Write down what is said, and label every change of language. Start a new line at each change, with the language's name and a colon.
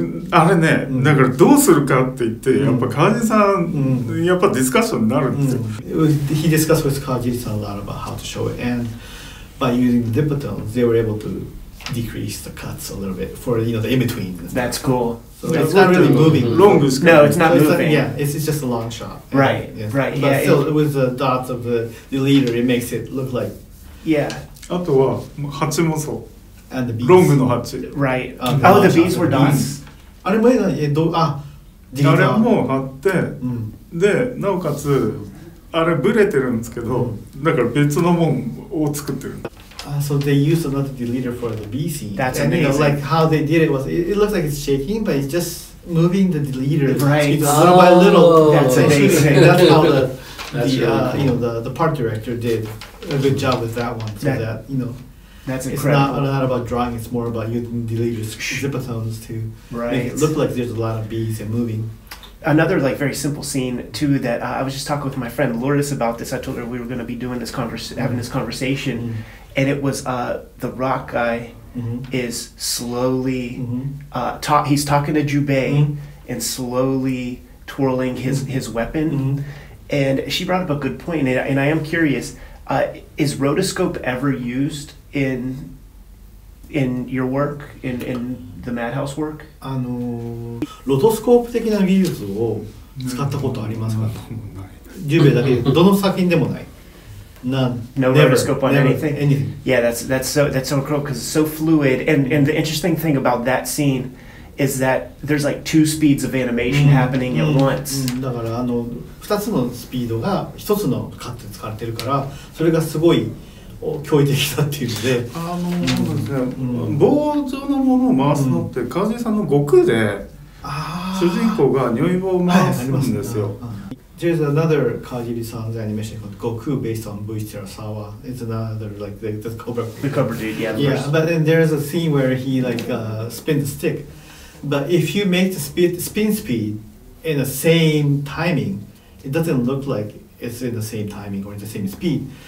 Japanese: あれね、うん、だからどうするかって言って、うん、やっぱ川尻さん、うん、やっぱディスカッションになるんですよ。うん、
English: He discussed with 川尻さん a lot about how to show it, and by using the dip tones, they were able to decrease the cuts a little bit for, you know, the in-between. That's cool. So it's not really moving. Long screen. No, it's not moving. It's just a long shot. Right, But still, it was the dots of the leader, it makes it look like... Yeah.
Japanese: あとは、ハチもそう。
English: And the bees.
Japanese: ロングの鉢。
English: Right. Oh, the bees were dots.
Japanese: あれも、あれも貼って、で、なおかつ、あれブレてるんですけど、だから別のもんを作ってる。
English: So they used another deleter for the bee scene. That's and amazing. And like how they did it was, it looks like it's shaking, but it's just moving the deleter little by little. That's amazing. That's how really cool. You know, the part director did a good job with that one. That's incredible. It's not about drawing, it's more about using deleter zippotones to make it look like there's a lot of bees and moving. Another like very simple scene too that I was just talking with my friend Lourdes about this. I told her we were going to be doing this having this conversation. Mm-hmm. And it was the rock guy is slowly, he's talking to Jubei and slowly twirling his weapon. Mm-hmm. And she brought up a good point, and I am curious, is rotoscope ever used in your work, in the Madhouse work?
Japanese: Rotoscope 的な技術を使ったことありますか? Jubei だけどの作品でもない。
English: No rotoscope on anything. Yeah, that's so cool because it's so fluid. And the interesting thing about that scene is that there's like two speeds of animation happening at once.
Japanese: だからあの二つのスピードが一つのカットで使われてるから、それがすごい驚異的だっていうので。棒状のものを回すのって川尻さんの悟空で主人公が如意棒を回すんですよ。
English: There's another Kajiri-san's animation called Goku based on Buishi Terasawa. It's another, like, the Cobra Dude. The Cobra Dude, yeah. Yeah, but then there's a scene where he, like, spins the stick. But if you make the spin speed in the same timing, it doesn't look like it's in the same timing or the same speed.